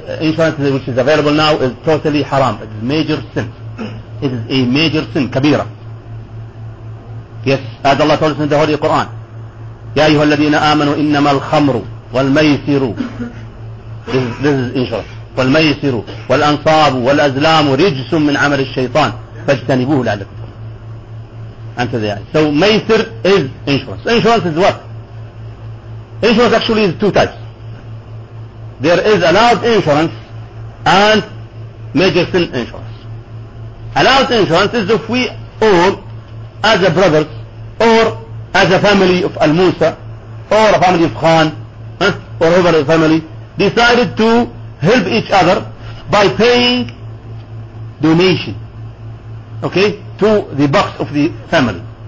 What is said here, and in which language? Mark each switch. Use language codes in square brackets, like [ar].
[en] Insurance which is available now is totally haram. It's a major sin. It is a major sin, kabira. Yes, as Allah told us in the Holy Quran, [ar] يَا أَيُّهَا الَّذِينَ آمَنُوا إِنَّمَا الْخَمْرُ وَالْمَيْسِرُ [en] This is insurance. [ar] وَالْمَيْسِرُ وَالْأَنْصَابُ وَالْأَزْلَامُ رِجْسٌ مِّنْ عَمَلِ الشَّيْطَانِ فَاجْتَنِبُوهُ لَعَلَّكُمْ تُفْلِحُونَ [en] Answer the ayah. So, maysir is insurance. Insurance is what? Insurance actually is two types. There is allowed insurance and major sin insurance. Allowed insurance is if we all, as a brother, or as a family of Al-Musa, or a family of Khan, or whoever the family, decided to help each other by paying donation, okay, to the box of the family.